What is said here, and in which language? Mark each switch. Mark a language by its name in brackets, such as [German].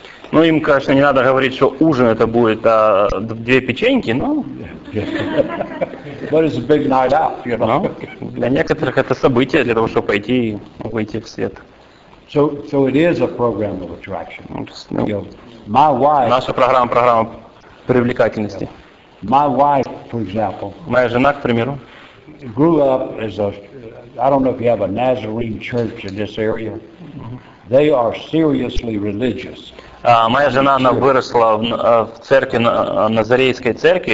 [Russian] Ну, им, конечно, не надо говорить, что ужин это будет две печеньки, но. [English] But it's a big night out, you know? [Russian] Но для некоторых это событие для того, чтобы пойти и выйти в свет. [English] So it is a program of attraction. My wife. [Russian] Наша программа привлекательности. [English] My wife, for example. [Russian] Моя жена, к примеру. [English] Grew up as a. I don't know if you have a Nazarene church in this area. They are seriously religious. [Russian] Моя жена, она выросла в церкви Назарейской церкви.